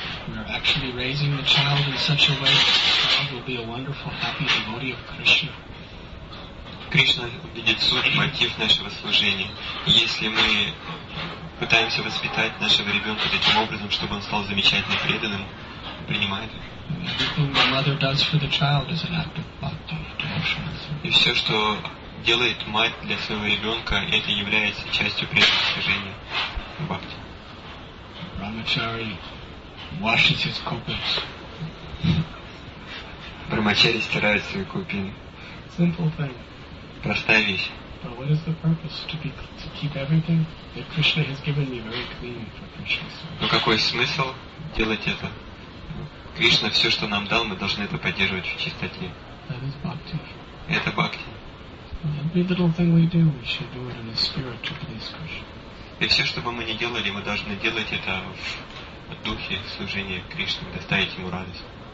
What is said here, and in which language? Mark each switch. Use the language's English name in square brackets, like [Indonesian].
[English] We are actually raising the child in such a way that the child will be a wonderful, happy devotee of Krishna. [Russian] Кришна видит суть, мотив нашего служения. Если мы пытаемся воспитать нашего ребенка таким образом, чтобы он стал замечательно преданным, принимает. [English] Everything the mother does for the child is an act of bhakti, devotional service. [Russian] И все, что делает мать для своего ребенка, это является частью преданного служения бхакти. [English] Brahmachari washes his kupins. [Russian] Brahmachari стирает свои купины. [English] Simple thing. [Russian] Простая вещь. [English] But what is the purpose to keep everything that Krishna has given me very clean for Krishna's sake? [Russian] Но какой смысл делать это? Кришна все, что нам дал, мы должны это поддерживать в чистоте. [English] That is bhakti. [Russian] Это бхакти. [English] Every little thing we do, we should do it in the spirit to please Krishna. [Russian] И все, что бы мы ни делали, мы должны делать это в духе служения Кришне, доставить Ему радость.